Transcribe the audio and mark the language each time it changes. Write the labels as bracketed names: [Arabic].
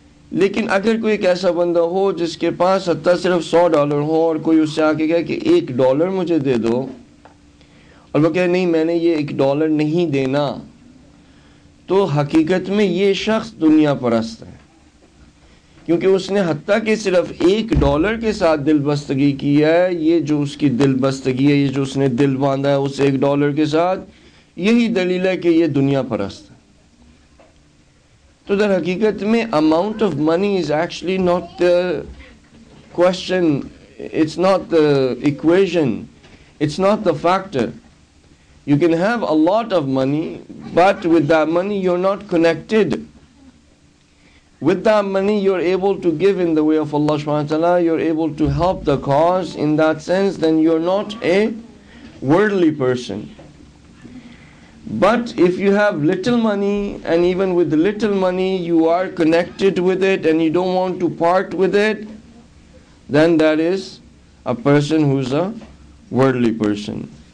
[Urdu] لیکن اگر کوئی ایک ایسا بندہ ہو جس کے پاس حتیٰ صرف $100 ہو اور کوئی اس سے آ کے کہے کہ $1 مجھے دے دو اور وہ کہے نہیں میں نے یہ $1 نہیں دینا, تو حقیقت میں یہ شخص دنیا پرست ہے. کیونکہ اس نے حتیٰ کہ صرف ایک ڈالر کے ساتھ دلبستگی کی ہے، یہ جو اس کی دلبستگی ہے، یہ جو اس نے دل باندھا ہے اس ایک ڈالر کے ساتھ، یہی دلیل ہے کہ یہ دنیا پرست ہے. تو در حقیقت میں [English] Amount of money is actually not the question, it's not the equation, it's not the factor. You can have a lot of money, but with the money you are not connected. With that money, you're able to give in the way of Allah subhanahu wa ta'ala, you're able to help the cause in that sense, then you're not a worldly person. But if you have little money, and even with the little money you are connected with it and you don't want to part with it, then that is a person who's a worldly person.